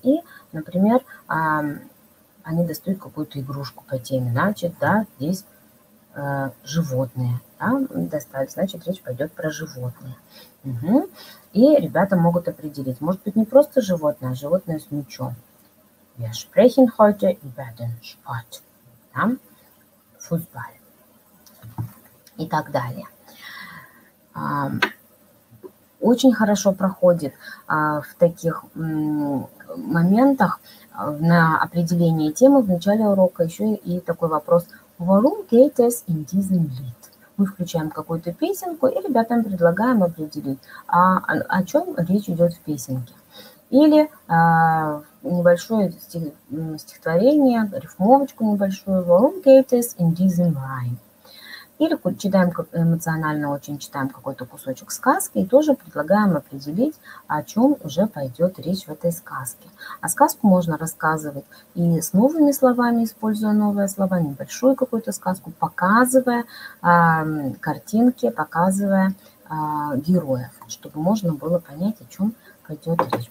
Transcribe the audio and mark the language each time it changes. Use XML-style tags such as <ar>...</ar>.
<ru>И, например, они достают какую-то игрушку по теме. Значит, да, здесь животные, да, достали, значит, речь пойдет про животные. Угу. И ребята могут определить, может быть, не просто животное, а животное с мячом.</ru> <de>Wir sprechen heute über den Sport.</de> <ru>Да? Фußball. И так далее. Очень хорошо проходит в таких моментах на определение темы в начале урока еще и такой вопрос.</ru> <de>Warum geht es in diesem Lied?</de> <ru>Мы включаем какую-то песенку и ребятам предлагаем определить, о чем речь идет в песенке. Или небольшое стихотворение, рифмовочку небольшую.</ru> <de>Warum geht es in diesem Rhyme?</de> <ru>Или читаем эмоционально, очень читаем какой-то кусочек сказки и тоже предлагаем определить, о чем уже пойдет речь в этой сказке. А сказку можно рассказывать и с новыми словами, используя новые слова, небольшую какую-то сказку, показывая картинки, показывая героев, чтобы можно было понять, о чем пойдет речь.</ru>